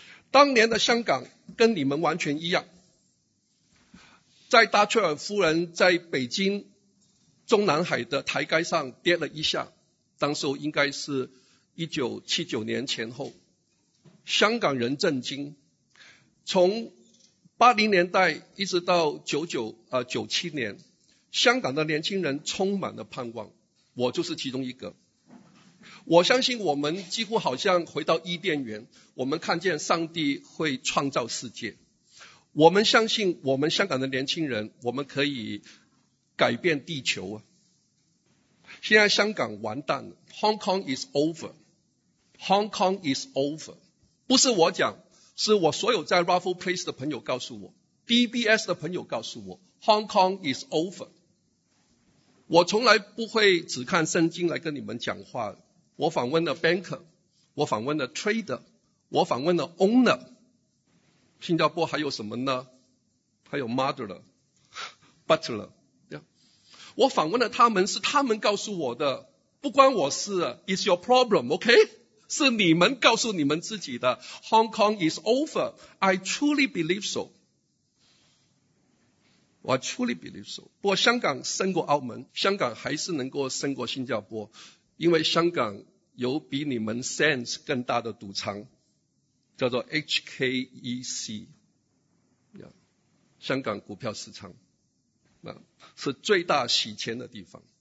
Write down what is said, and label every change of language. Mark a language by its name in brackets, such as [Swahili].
[Chinese] 当年的香港跟你们完全一样，在达切尔夫人在北京中南海的台阶上跌了一下，当时应该是1979年前后，香港人震惊，从80年代一直到97年，香港的年轻人充满了盼望，我就是其中一个。我相信我们几乎好像回到伊甸园，我们看见上帝会创造世界。我们相信我们香港的年轻人，我们可以改变地球。现在香港完蛋了， [English] Hong Kong is over， Hong Kong is over， [Chinese] 不是我讲，是我所有在 Raffle Place 的朋友告诉我， DBS 的朋友告诉我， [English] Hong Kong is over。 [Chinese] 我从来不会只看圣经来跟你们讲话，我访问了 banker， 我访问了 trader， 我访问了 owner。新加坡还有什么呢？还有 [English] mother butler、yeah. [Chinese] 我访问了他们，是他们告诉我的，不关我事。 [English] It's your problem, OK? [Chinese] 是你们告诉你们自己的。 [English] Hong Kong is over, I truly believe so, I truly believe so。 [Chinese] 不过香港胜过澳门，香港还是能够胜过新加坡，因为香港有比你们 sense 更大的赌场，叫做 HKEC， 香港股票市场，是最大洗钱的地方。